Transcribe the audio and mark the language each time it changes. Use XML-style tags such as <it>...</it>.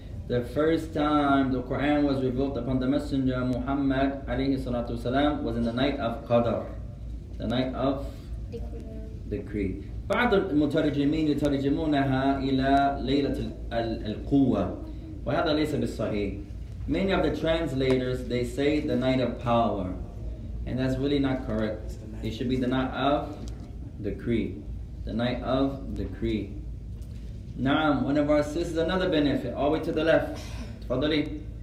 <en>The first time the Quran was revealed upon the Messenger Muhammad</en> <ar>عليه الصلاة والسلام</ar> <en>was in the night of Qadr. The night of? Decree.</en> <ar>بعض المترجمين يترجمونها إلى ليلة القوة. وهذا ليس بالصحيح.</ar> <en>Many of the translators they say the night of power, and that's really not correct. It should be the night of decree. The night of decree. Naam, one of our sisters, another benefit. All the way to the left. Tafadali.</en>